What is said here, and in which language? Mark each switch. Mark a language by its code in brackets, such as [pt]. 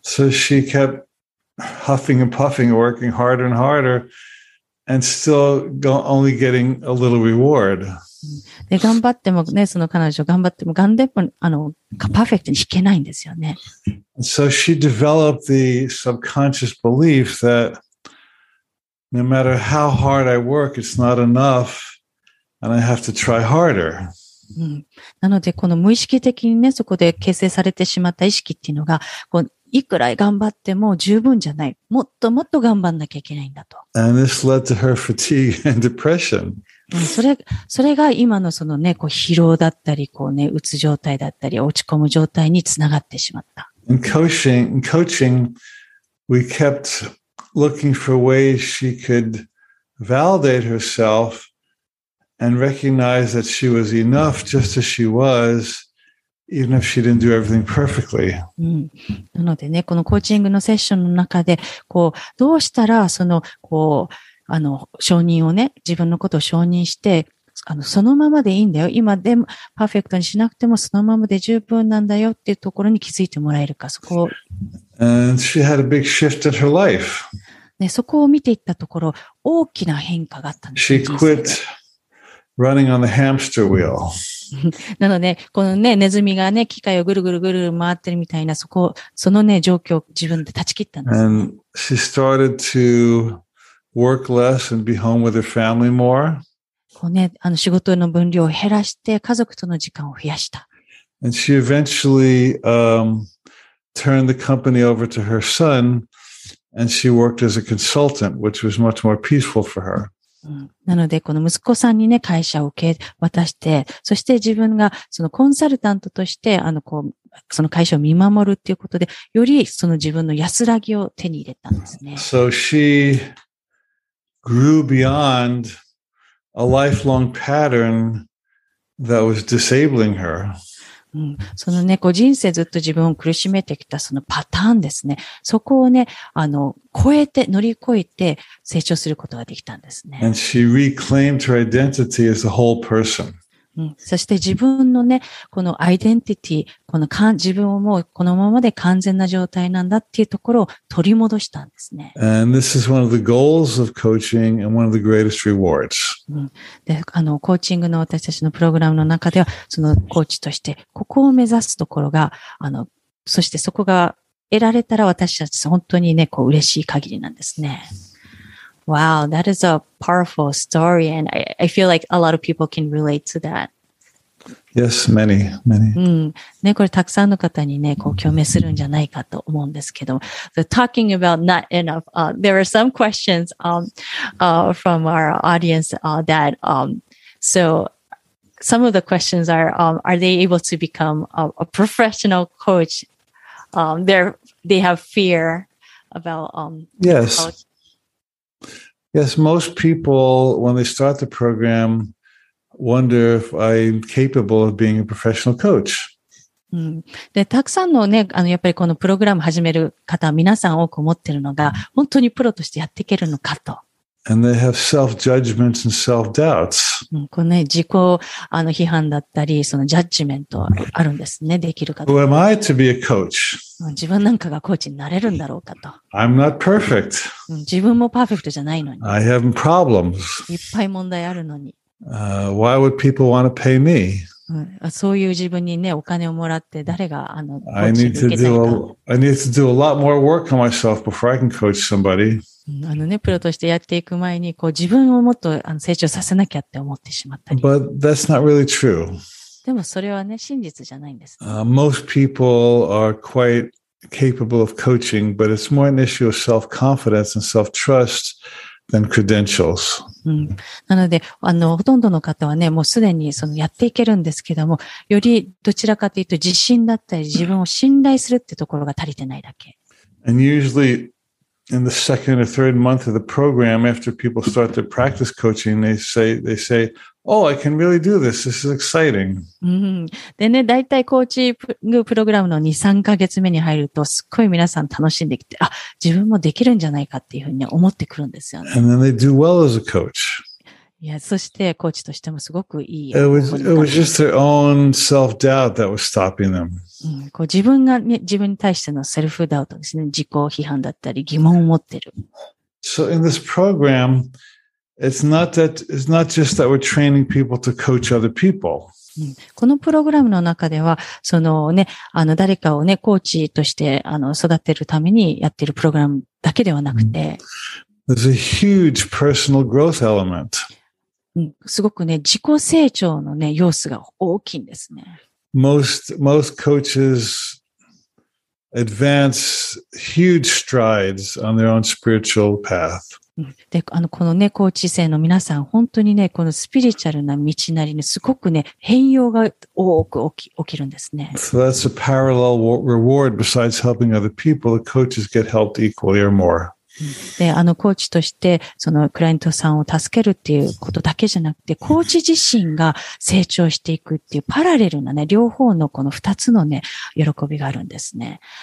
[en] So she kept huffing and puffing, working harder and harder, and still go, only getting a little reward. [ja] で、頑張ってもね、その彼女頑張っても、ガンデップ、あの、パーフェクトに弾けないんですよね。 [en] And so she developed the subconscious belief that no matter how hard I work, it's not enough, and I have to try harder. [ja] なので、この無意識的にね、そこで形成されてしまった意識っていうのが、こういくら頑張っても十分じゃない。もっともっと頑張んなきゃいけないんだと。 [en] And this led to her fatigue and depression. [ja] それが今のそのね、こう疲労だったり、こうね、うつ状態だったり、落ち込む状態につながってしまった。 [en] In coaching, we kept looking for ways she could validate herself and recognize that she was enough just as she was. Even if she didn't do everything perfectly. [ja] なのでね、このコーチングのセッションの中で、こう、どうしたら、その、こう、あの、承認をね、自分のことを承認して、あの、そのままでいいんだよ。今でも、パーフェクトにしなくても、そのままで十分なんだよっていうところに気づいてもらえるか、そこを。 [en] And she had a big shift in her life. [ja] ね、そこを見ていったところ、大きな変化があったんです。 [en] She quit running on the hamster wheel. [ja] なので、このね、ネズミがね、機械をぐるぐるぐるぐる回ってるみたいな、そこ、そのね、状況を自分で断ち切ったんです。 [en] And she started to work less and be home with her family more. [ja] こうね、あの仕事の分量を減らして、家族との時間を増やした。 [en] And she eventually, turned the company over to her son, and she worked as a consultant, which was much more peaceful for her. [ja] なので、この息子さんにね、会社を受け渡して、そして自分がそのコンサルタントとして、あの、こう、その会社を見守るっていうことで、よりその自分の安らぎを手に入れたんですね。 [en] So she grew beyond a lifelong pattern that was disabling her. [ja] そのね、こう人生ずっと自分を苦しめてきたそのパターンですね。そこをね、あの、超えて、乗り越えて成長することができたんですね。 [en] And she reclaimed her identity as a whole person. [ja] そして自分のね、このアイデンティティ、この自分をもうこのままで完全な状態なんだっていうところを取り戻したんですね。 [en] And this is one of the goals of coaching and one of the greatest rewards. [ja] で、あの、コーチングの私たちのプログラムの中では、そのコーチとして、ここを目指すところが、あの、そしてそこが得られたら私たち本当にね、こう嬉しい限りなんですね。 [en] Wow, that is a powerful story, and I feel like a lot of people can relate to that. Yes, many, many. [ja] ね、これたくさんの方にね、こう共鳴するんじゃないかと思うんですけど。 [en] So, talking about not enough, there are some questions, from our audience, that, so some of the questions are they able to become a professional coach? They have fear about, Yes. Yes, most people, when they start the program, wonder if I'm capable of being a professional coach. [ja] で、たくさんのね、あの、やっぱりこのプログラム始める方、皆さん多く思ってるのが、本当にプロとしてやっていけるのかと。 [en] And they have self-judgments and self-doubts. [ja] このね、自己、あの、批判だったり、そのジャッジメントあるんですね、できるか。 [en] Who am I to be a coach? [ja] 自分なんかがコーチになれるんだろうかと。 [en] I'm not perfect. [ja] 自分もパーフェクトじゃないのに。 [en] I have problems. [ja] いっぱい問題あるのに。 [en] Why would people want to pay me? [ja] そういう自分にね、お金をもらって誰が、あの、コーチに受けたいか。 [en] I need to do a lot more work on myself before I can coach somebody. [ja] あのね、プロとしてやっていく前に、こう、自分をもっと成長させなきゃって思ってしまったり。 [en] But that's not really true. [ja] でもそれはね、真実じゃないんです。 [en] Most people are quite capable of coaching, but it's more an issue of self-confidence and self-trust than credentials. [ja] なので、あの、ほとんどの方はね、もうすでにそのやっていけるんですけども、よりどちらかというと自信だったり、自分を信頼するってところが足りてないだけ。 [en] And usually in the second or third month of the program, after people start their practice coaching, they say,Oh, I can really do this. This is exciting. [ja] でね、だいたいコーチングプログラムの2、3ヶ月目に入ると、すっごい皆さん楽しんできて、あ、自分もできるんじゃないかっていうふうに思ってくるんですよね。 [en] And then they do well as a coach. [ja] いや、そしてコーチとしてもすごくいい。 [en] It was just their own self-doubt that was stopping them. [ja] こう自分が、ね、自分に対してのセルフダウトですね。自己批判だったり疑問を持ってる。 [en] So in this program, It's not just that we're training people to coach other people. [ja] このプログラムの中では、そのね、誰かをね、コーチとして、育てるためにやってるプログラムだけではなくて。 [en] There's a huge personal growth element. [ja] すごくね、自己成長のね、要素が大きいんですね。 [en] Most coaches advance huge strides on their own spiritual path. [ja] で、このね、コーチ生の皆さん、本当にね、このスピリチュアルな道なりにすごくね、変容が多く起きるんですね。 [en] So that's a parallel reward besides helping other people. The coaches get helped equally or more. [ja] で、コーチとして、そのクライアントさんを助けるっていうことだけじゃなくて、コーチ自身が成長していくっていうパラレルなね、両方のこの二つのね、喜びがあるんですね。